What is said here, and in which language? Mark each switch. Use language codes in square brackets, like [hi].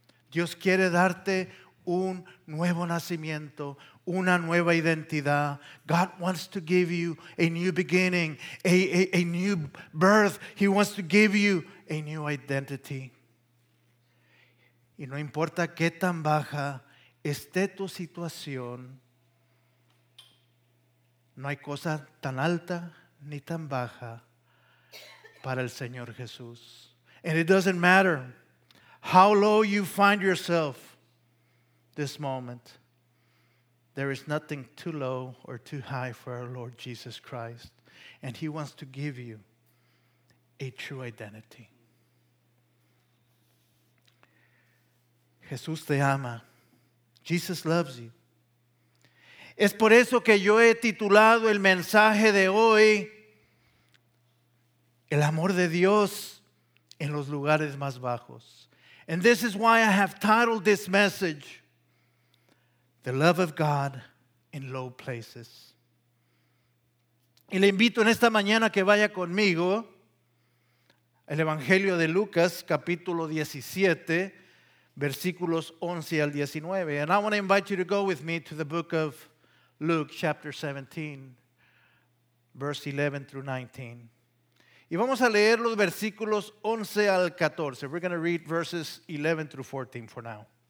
[es] Dios quiere darte un nuevo nacimiento, una nueva identidad. [en] God wants to give you a new beginning, a new birth. He wants to give you a new identity. [es] Y no importa qué tan baja esté tu situación, no hay cosa tan alta ni tan baja para el Señor Jesús. [en] And it doesn't matter how low you find yourself this moment, there is nothing too low or too high for our Lord Jesus Christ. And He wants to give you a true identity. [es] Jesús te ama. [en] Jesus loves you. [es] Es por eso que yo he titulado el mensaje de hoy, El amor de Dios en los lugares más bajos. [en] And this is why I have titled this message, The Love of God in Low Places. [es] Y le invito en esta mañana que vaya conmigo al Evangelio de Lucas, capítulo 17, versículos 11 al 19. [en] And I want to invite you to go with me to the book of Luke, chapter 17, verse 11 through 19. [es] Y vamos a leer los versículos 11 al 14. [en] We're going to read verses 11 through 14 for now.